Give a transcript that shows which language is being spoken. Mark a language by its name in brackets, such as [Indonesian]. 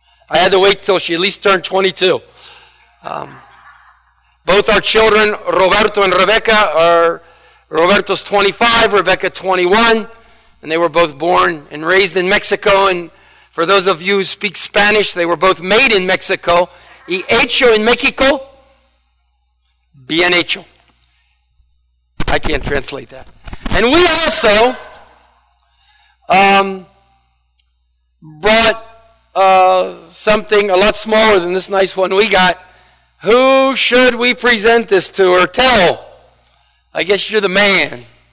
[English] I had to wait till she at least turned 22. Both our children, Roberto and Rebecca, Roberto's 25, Rebecca 21. And they were both born and raised in Mexico. And for those of you who speak Spanish, they were both made in Mexico. [Spanish] Y hecho en México, bien hecho. [English] I can't translate that. And we also brought something a lot smaller than this nice one we got. Who should we present this to or tell? I guess you're the man.